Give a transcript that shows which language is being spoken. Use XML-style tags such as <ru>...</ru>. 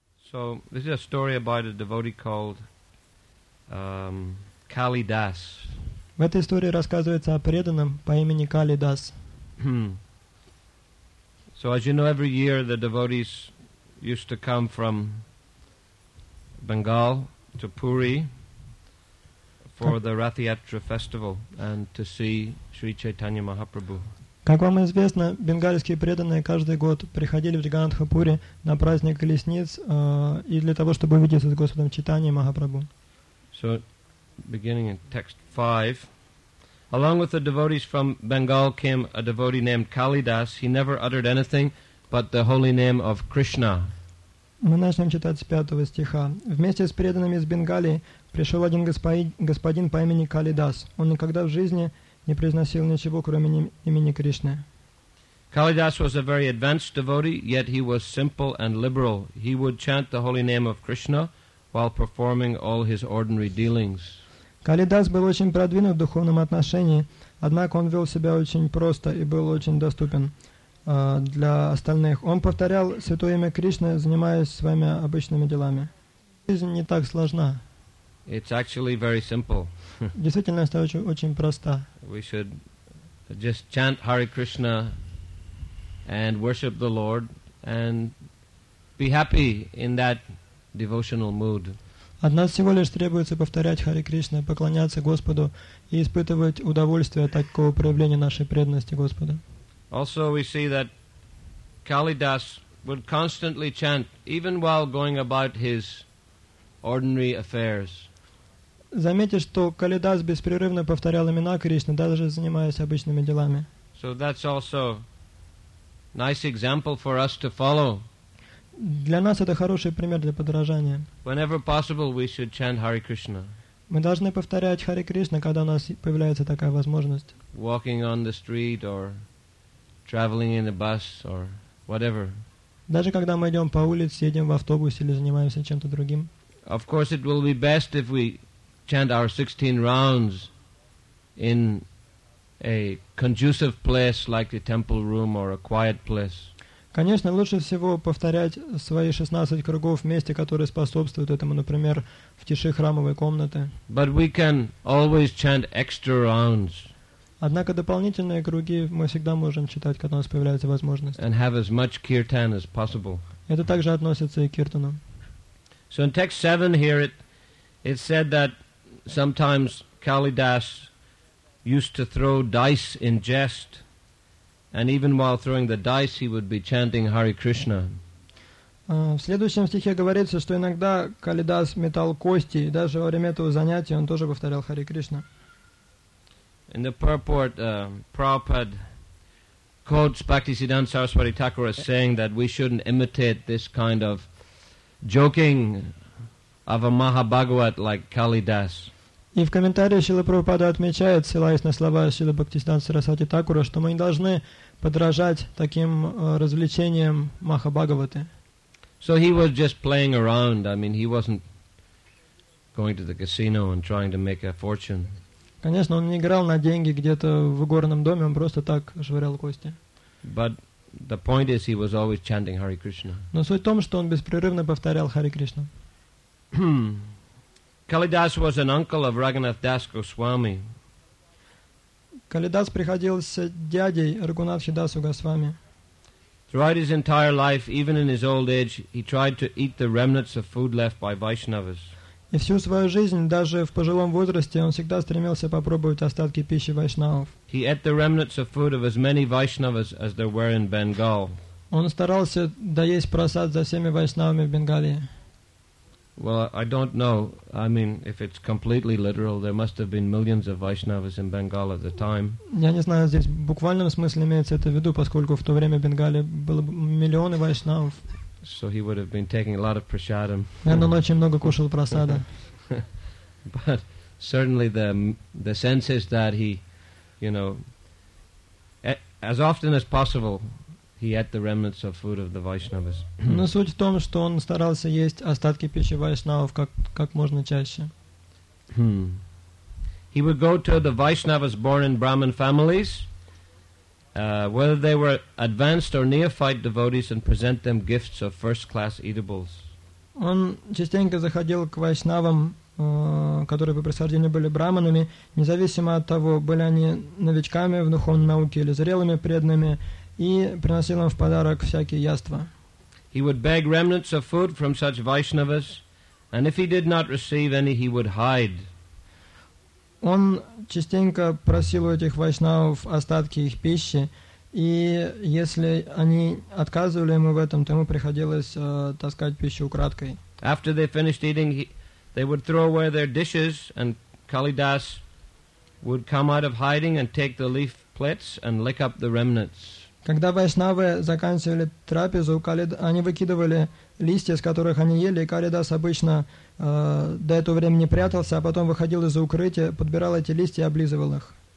<en>So this is a story about a devotee called Kali Das.</en> <ru>В этой истории рассказывается о преданном по имени Кали Дас.</ru> <en>So as you know, every year the devotees used to come from Bengal to Puri for the Rath Yatra festival and to see Sri Chaitanya Mahaprabhu.</en> <ru>Как вам известно, бенгальские преданные каждый год приходили в Джаганнатхапури на праздник колесниц и для того, чтобы увидеться с Господом Чайтаньей Махапрабху.</ru> <en>So, beginning in text 5, along with the devotees from Bengal came a devotee named Kalidas. He never uttered anything but the holy name of Krishna.</en> <ru>Мы начнем читать с 5 стиха. Вместе с преданными из Бенгалии пришел один господин по имени Калидас. Он никогда в жизни не произносил ничего, кроме имени Кришны.</ru> <en>Kalidas was a very advanced devotee, yet he was simple and liberal. He would chant the holy name of Krishna while performing all his ordinary dealings.</en> <ru>Kalidas был очень продвинут в духовном отношении, однако он вел себя очень просто и был очень доступен для остальных. Он повторял святое имя Кришны, занимаясь своими обычными делами. Жизнь не так сложна.</ru> <en>It's actually very simple.</en> <ru>Действительно, это очень просто.</ru> <en>We should just chant Hare Krishna and worship the Lord and be happy in that devotional mood.</en> <ru>От нас всего лишь требуется повторять Хари Кришна, поклоняться Господу и испытывать удовольствие от такого проявления нашей преданности Господу.</ru> <en>Also, we see that Kalidas would constantly chant even while going about his ordinary affairs.</en> <ru>Заметьте, что Калидас беспрерывно повторял имена Кришны, даже занимаясь обычными делами.</ru> <en>So that's also a nice example for us to follow.</en> <ru>Для нас это хороший пример для подражания.</ru> <en>Whenever possible, we should chant Hare Krishna.</en> <ru>Мы должны повторять Хари Кришна, когда у нас появляется такая возможность.</ru> <en>Walking on the street or traveling in a bus or whatever.</en> <ru>Даже когда мы идем по улице, едем в автобусе или занимаемся чем-то другим.</ru> <en>Of course, it will be best if we chant our 16 rounds in a conducive place like a temple room or a quiet place.</en> <ru>Конечно, лучше всего повторять свои 16 кругов в месте, которое способствует этому, например, в тиши храмовой комнаты.</ru> <en>But we can always chant extra rounds.</en> <ru>Однако дополнительные круги мы всегда можем читать, когда у нас появляется возможность.</ru> <en>And have as much kirtan as possible.</en> <ru>Это также относится и к киртану.</ru> <en>So in text 7 here it said that sometimes Kalidas used to throw dice in jest, and even while throwing the dice, he would be chanting Hare Krishna.</en> <ru>В следующем стихе говорится, что иногда Калидас метал кости, и даже во время этого занятия он тоже повторял Хари Кришна.</ru> <en>In the purport, Prabhupada quotes Bhaktisiddhanta Saraswati Thakur as saying that we shouldn't imitate this kind of joking of a Mahabhagavat like Kalidas.</en> <ru>И в комментариях Шрила Прабхупада отмечает, ссылаясь на слова Шрила Бхактисиддханты Сарасвати Такура, что мы не должны подражать таким развлечениям Махабхагаваты.</ru> <en>So he was just playing around. I mean, he wasn't going to the casino and trying to make a fortune.</en> <ru>Конечно, он не играл на деньги где-то в горном доме, он просто так швырял кости.</ru> <en>But the point is, he was always chanting Hare Krishna.</en> <ru>Но суть в том, что он беспрерывно повторял Хари Кришна.</ru> <en>Kalidas was an uncle of Raghunath Das Goswami.</en> <ru>Kalidas приходился дядей Рагунатхи Дасу Госвами.</ru> <en>Throughout his entire life, even in his old age, he tried to eat the remnants of food left by Vaishnavas.</en> <ru>И всю свою жизнь, даже в пожилом возрасте, он всегда стремился попробовать остатки пищи вайшнавов.</ru> <en>He ate the remnants of food of as many Vaishnavas as there were in Bengal.</en> <ru>Он старался доесть просад за всеми вайшнавами в Бенгалии.</ru> <en>Well, I don't know. I mean, if it's completely literal, there must have been millions of Vaishnavas in Bengal at the time.</en> <ru>Я не знаю, здесь в буквальном смысле имеется это в виду, поскольку в то время в Бенгалии было миллионы вайшнавов.</ru> <en>So he would have been taking a lot of prasadam.</en> <ru>Наверное, он очень много кушал прасада.</ru> <en>But certainly the sense is that he, you know, as often as possible, he ate the remnants of food of the Vaishnavas.</en> <ru>Но суть в том, что он старался есть остатки пищи вайшнавов как можно чаще.</ru> <en>He would go to the Vaishnavas born in Brahmin families, whether they were advanced or neophyte devotees, and present them gifts of first-class eatables.</en> <ru>Он частенько заходил к вайшнавам, которые по происхождению были браманами, независимо от того, были они новичками в духовной науке или зрелыми преданными, и приносил им в подарок всякие яства.</ru> <en>He would beg remnants of food from such Vaishnavas, and if he did not receive any, he would hide.</en> <ru>Он частенько просил у этих вайшнавов остатки их пищи, и если они отказывали ему в этом, то ему приходилось таскать пищу украдкой.</ru> <en>After they finished eating, they would throw away their dishes, and Kalidas would come out of hiding and take the leaf plates and lick up the remnants.</en> <ru>Когда вайшнавы заканчивали трапезу, они выкидывали листья, с которых они ели, и Калидас обычно до этого времени прятался, а потом выходил из-за укрытия, подбирал эти листья и облизывал их.</ru>